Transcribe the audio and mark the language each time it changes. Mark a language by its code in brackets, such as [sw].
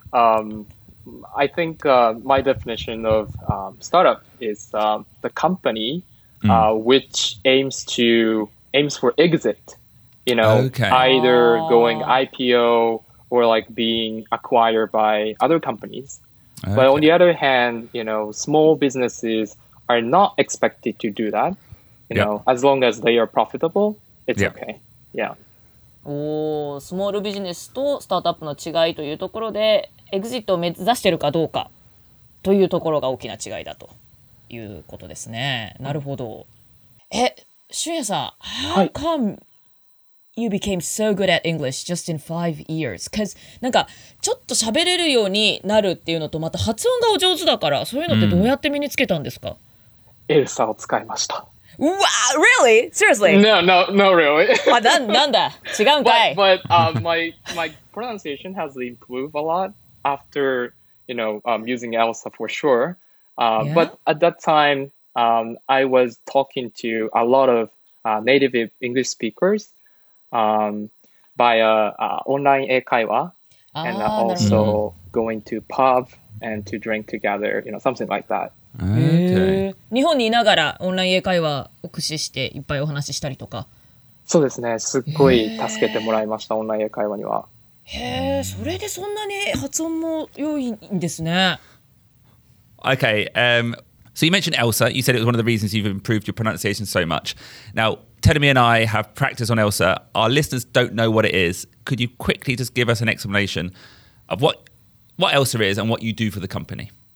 [en] I think my definition of startup is the company which aims for exit, you know, either going IPO or like being acquired by other companies. Okay. But on the other hand, you know, small businesses are not expected to do that. You know, as long as they are profitable, it's okay. Yeah. [ja] おお、スモールビジネスとスタートアップの違いというところで、エグジットを目指してるかどうかというところが大きな違いだということですね。なるほど。しゅんやさん、 [en] How come you became so good at English just in 5 years? [ja] Because なんかちょっと喋れるようになるっていうのと、また発音がお上手だから、そういうのってどうやって身につけたんですか？エルサを使いました。 [en] Wow, really? Seriously? No, not really. [ja] なんだ?違うんかい? [en] But my pronunciation has improved a lot after, you know, using ELSA for sure. Yeah? But at that time, I was talking to a lot of native English speakers by online 英会話 and also going to pub and to drink together, you know, something like that. [ja] Okay. 日本にいながらオンライン英会話を駆使していっぱいお話ししたりとか。そうですね。すっごい助けてもらいました、オンライン英会話には。へえ、それでそんなに発音も良いんですね。 [en] Okay, so you mentioned ELSA. You said it was one of the reasons you've improved your pronunciation so much. Now, Tedemi and I have practiced on ELSA. Our listeners don't know what it is. Could you quickly just give us an explanation of what ELSA is and what you do for the company?